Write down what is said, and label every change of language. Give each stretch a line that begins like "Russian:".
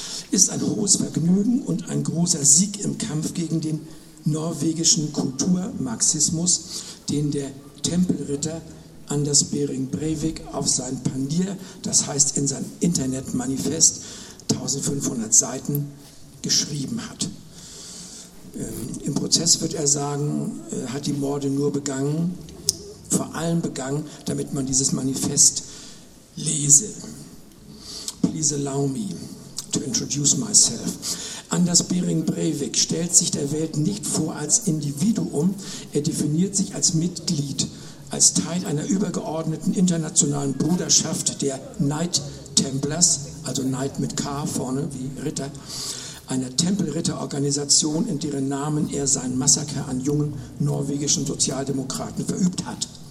German: ist ein hohes Vergnügen und ein großer Sieg im Kampf gegen den norwegischen Kulturmarxismus, den der Tempelritter Anders Behring Breivik auf sein Panier, das heißt in sein Internetmanifest, 1500 Seiten geschrieben hat. Im Prozess wird er sagen, hat die Morde nur begangen, vor allem begangen, damit man dieses Manifest lese.
English: Please allow me to introduce myself.
German: Anders Behring Breivik stellt sich der Welt nicht vor als Individuum, er definiert sich als Mitglied, als Teil einer übergeordneten internationalen Bruderschaft der Knight Templars, also Knight mit K vorne wie Ritter, einer Tempelritterorganisation, in deren Namen er sein Massaker an jungen norwegischen Sozialdemokraten verübt hat.